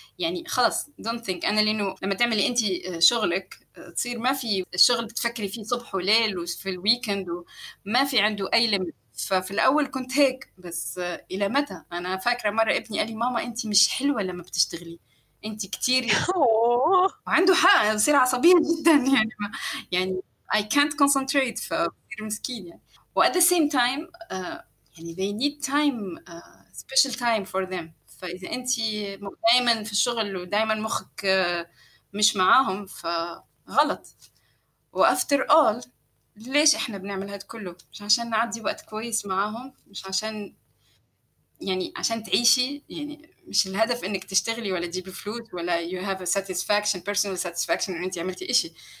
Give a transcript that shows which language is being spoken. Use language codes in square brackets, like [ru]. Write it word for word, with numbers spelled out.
[ar] يعني خلاص [en] don't think [ar] أنا، لأنه لما تعملي أنت شغلك تصير ما في الشغل بتفكري فيه صبح وليل وفي الويكند وما في عنده أي لم. ففي الأول كنت هيك، بس إلى متى؟ أنا فاكرة مرة ابني قال لي ماما أنت مش حلوة لما بتشتغلي، أنت كتير وعنده حق، بصير عصبية جدا يعني ما. يعني [en] I can't concentrate، [ar] فبصير مسكين يعني. و [en] at the same time [ar] uh, يعني [en] they need time [ar] uh, [en] special time for them. [ar] فإذا أنت دائما في الشغل ودائما مخك مش معاهم فغلط. وأفتر أول ليش إحنا بنعمل هاد كله؟ مش عشان نعدي وقت كويس معاهم، مش عشان يعني عشان تعيشي، يعني مش الهدف إنك تشتغلي ولا تجيبي فلوس ولا [en] you have a satisfaction personal satisfaction [ar] إن أنت عملتي إشي.